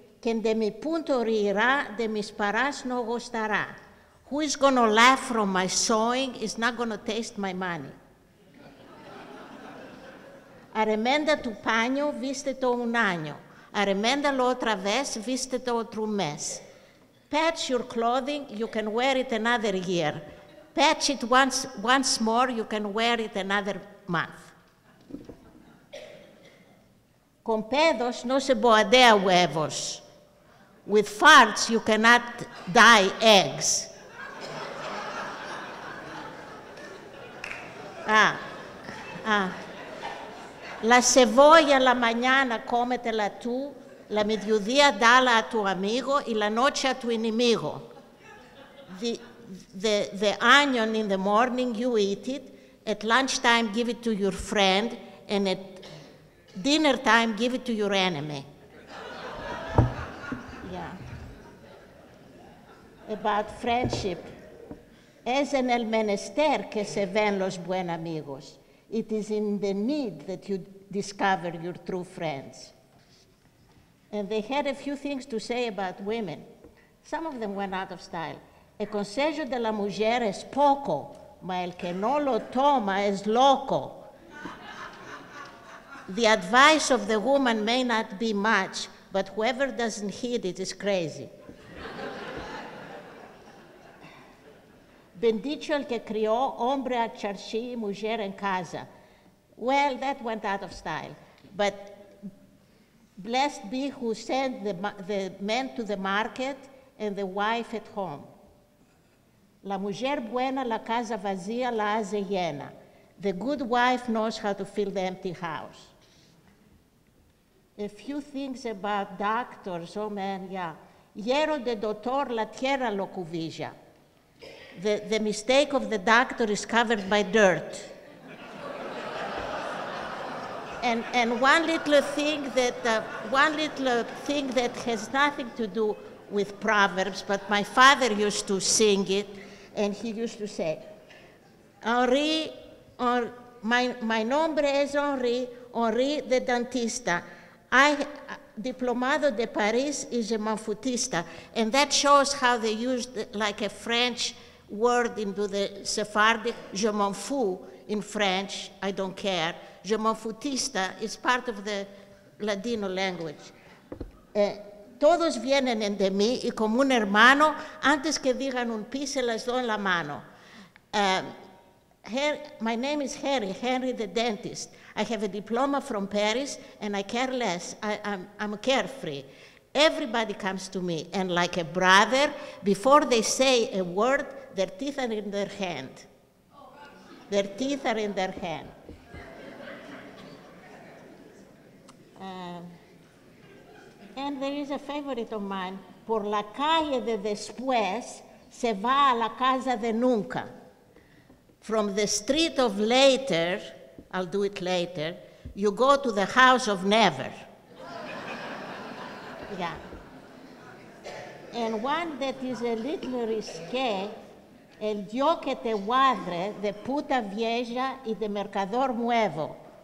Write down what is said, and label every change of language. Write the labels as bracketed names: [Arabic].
[Ladino] Quien de mi punto rirá, de mis paras no gustará. [English] Who is going to laugh from my sewing is not going to taste my money. [Ladino] Arremenda tu paño, vístete un año. Arremenda lo otra vez, vístete otro mes. [English] Patch your clothing, you can wear it another year. Patch it once more, you can wear it another month. [Ladino] Con pedos no se boadea huevos. [English] With farts you cannot dye eggs. [Ladino] La cebolla la mañana cómetela tú. La mediodía dala a tu amigo y la noche a tu enemigo. [English] The onion in the morning, you eat it. At lunchtime, give it to your friend. And at dinner time, give it to your enemy. about friendship. [Ladino] Es en el menester que se ven los buen amigos. [English] It is in the need that you discover your true friends. And they had a few things to say about women. Some of them went out of style. [Ladino] El consejo de la mujer es poco, mas el que no lo toma es loco. [English] The advice of the woman may not be much, but whoever doesn't heed it is crazy. [Ladino] Bendito el que crió hombre a charchi y mujer en casa. [English] Well, that went out of style. But blessed be who sent the men to the market and the wife at home. [Ladino] La mujer buena la casa vacía la hace llena. [English] The good wife knows how to fill the empty house. A few things about doctors, oh man, yeah. [Ladino] Hierro de doctor la tierra lo cubilla. [English] The mistake of the doctor is covered by dirt. And one little thing that has nothing to do with Proverbs, but my father used to sing it, and he used to say, [Ladino] my nombre es [English] Henri the dentista. [Ladino] Diplomado de Paris [English] is a manfutista. And that shows how they used like a French word into the Sephardic, [French] je m'en fous [English] in French, I don't care. Je m'en foutista is part of the Ladino language. [Ladino] Todos vienen en de mí y como un hermano, antes que digan un pi, se las doy en la mano. [English] My name is Henry the dentist. I have a diploma from Paris and I care less. I'm carefree. Everybody comes to me and like a brother, before they say a word, their teeth are in their hand. Their teeth are in their hand. And there is a favorite of mine. [Ladino] Por la calle de después, se va a la casa de nunca. [English] From the street of later, I'll do it later, you go to the house of never. Yeah. And one that is a little risque, [Ladino] el dio que te guadre de puta vieja y de mercador nuevo.